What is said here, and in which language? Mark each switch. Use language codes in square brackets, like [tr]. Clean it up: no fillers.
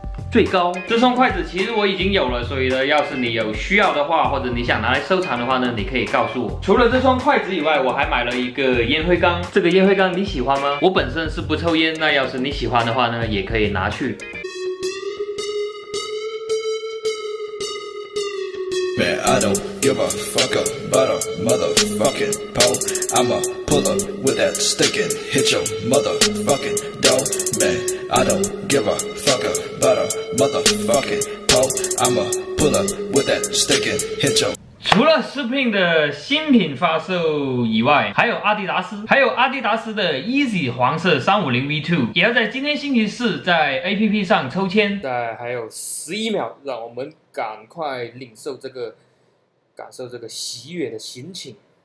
[zh] 最高这双筷子其实我已经有了，所以呢要是你有需要的话，或者你想拿来收藏的话呢，你可以告诉我。除了这双筷子以外，我还买了一个烟灰缸。这个烟灰缸你喜欢吗？我本身是不抽烟，那要是你喜欢的话呢，也可以拿去。 [en] Man, I don't give a fuck about a motherfucking pole. I'ma pull up with that stick and hit your motherfucking dough. Man, I don't give a fuck about a motherfucking pole. I'ma pull up with that stick and hit your。 [zh] 除了 Supreme 的新品发售以外，还有阿迪达斯，还有阿迪达斯的 Easy 黄色350 V2， 也要在今天星期四在 APP 上抽签。在还有11秒，让我们赶快领受这个，感受这个喜悦的心情。